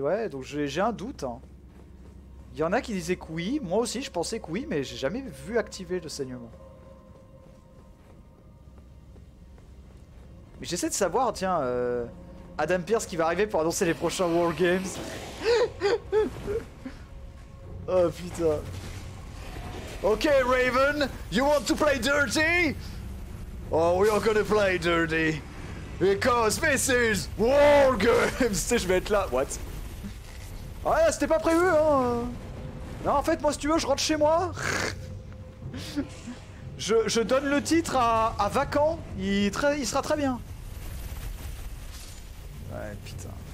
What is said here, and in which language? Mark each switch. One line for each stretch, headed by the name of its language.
French: Ouais, donc j'ai un doute. Hein. Il y en a qui disaient que oui. Moi aussi je pensais que oui, mais j'ai jamais vu activer le saignement. Mais j'essaie de savoir, tiens, Adam Pearce qui va arriver pour annoncer les prochains War Games. Oh putain.
English: Ok Raven, you want to play dirty? Oh, we are gonna play dirty. Because this is War Games.
French: Tu sais, je vais être là.
English: What?
French: Ah, ouais, c'était pas prévu, hein. Non, en fait, moi, si tu veux, je rentre chez moi. Je donne le titre à Vacant. Il sera très bien. Ouais, putain.